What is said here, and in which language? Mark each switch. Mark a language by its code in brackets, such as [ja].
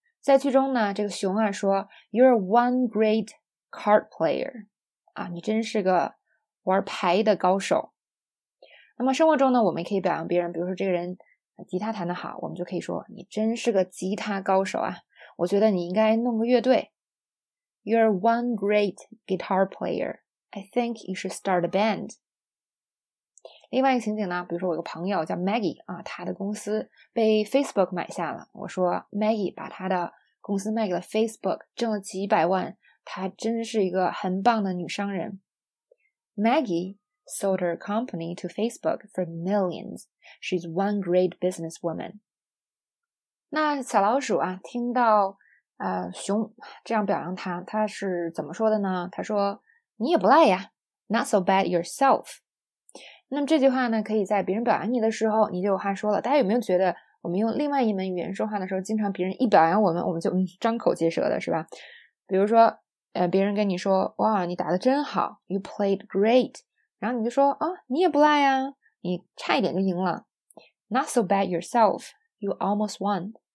[zh] 在剧中呢，这个熊二说 [en] You are one great card player， [zh] 啊，你真是个玩牌的高手。那么生活中呢，我们可以表扬别人，比如说这个人吉他弹得好，我们就可以说你真是个吉他高手啊，我觉得你应该弄个乐队。 [en] You're one great guitar player. I think you should start a band. [zh] 另外一个情景呢，比如说我有个朋友叫 Maggie 啊，他的公司被 Facebook 买下了。我说 Maggie 把他的公司卖给了 Facebook， 挣了几百万，她真是一个很棒的女商人。 [en] Maggie sold her company to Facebook for millions. She's one great businesswoman. [zh] 那小老鼠啊，听到熊这样表扬他，他是怎么说的呢？他说你也不赖呀， [en] not so bad yourself。 [zh] 那么这句话呢，可以在别人表扬你的时候你就有话说了。大家有没有觉得我们用另外一门语言说话的时候，经常别人一表扬我们，我们就张口结舌的，是吧？比如说别人跟你说哇你打得真好， [en] you played great， [zh] 然后你就说啊，你也不赖呀，你差一点就赢了， [en] not so bad yourself， you almost won。